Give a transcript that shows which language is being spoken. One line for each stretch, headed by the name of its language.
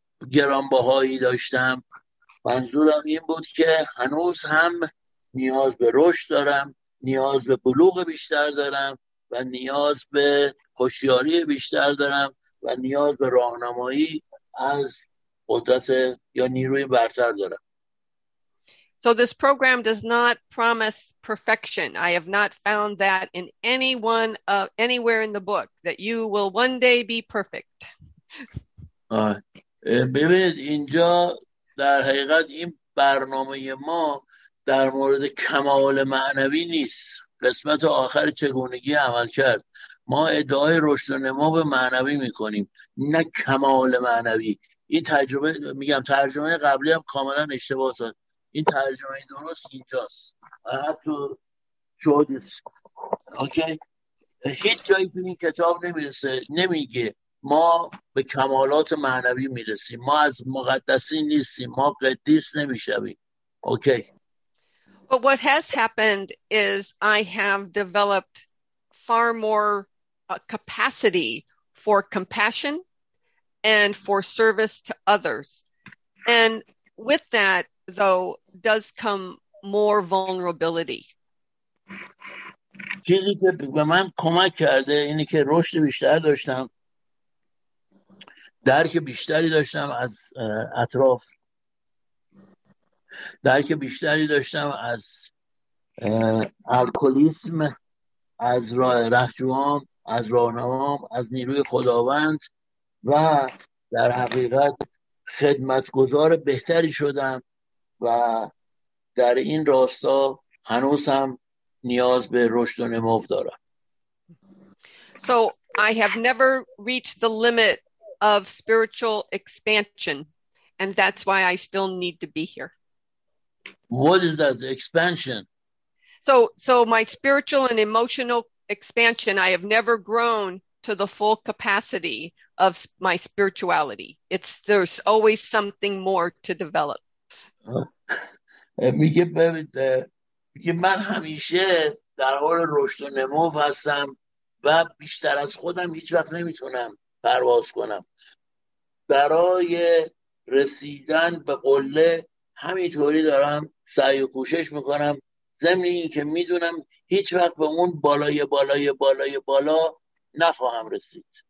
Persian: گرانبهایی داشتم، منظورم این بود که هنوز هم نیاز به رشد دارم، نیاز به بلوغ بیشتر دارم و نیاز به هوشیاری بیشتر دارم و نیاز به راهنمایی از قدرت یا نیروی برتر دارم.
English: So this program does not promise perfection. I have not found that in anywhere in the book that you will one day be perfect.
Persian: ببینید اینجا در حقیقت این برنامه ما در مورد کمال معنوی نیست. قسمت آخر چگونگی عمل کرد. ما ادعای رشد و نمو به معنوی میکنیم. نه کمال معنوی. این تجربه میگم ترجمه قبلی هم کاملا اشتباه شد. این ترجمه درست اینجاست. حتی شدیست. اوکی؟ هیچ جایی تو این کتاب نمیرسه. نمیگه. ما به کمالات معنوی میرسیم. ما از مقدسین نیستیم. ما قدیس نمیشویم. اوکی؟
English: But what has happened is I have developed far more capacity for compassion and for service to others. And with that, though, does come more vulnerability.
Persian: چیزی که به من کمک کرده اینه که رشد بیشتر داشتم، درک بیشتری داشتم از اطراف، درک بیشتری داشتم از الکولیسم، از رهجوام، از راهنمام، از نیروی خداوند و در حقیقت خدمتگزار بهتری شدم و در این راستا هنوز هم نیاز به رشد و نمو دارم.
English: So I have never reached the limit of spiritual expansion and that's why I still need to be here. What is that expansion? So my spiritual and emotional expansion, I have never grown to the full capacity of my spirituality. There's always something more to develop.
Persian: میگه ببینید میگه من همیشه در حال رشد و نمو هستم و بیشتر از خودم هیچ وقت نمیتونم پرواز کنم. برای رسیدن به قله همینطوری دارم سعی و کوشش میکنم، ضمن این که میدونم هیچ وقت به اون بالای بالای بالای بالا نخواهم رسید.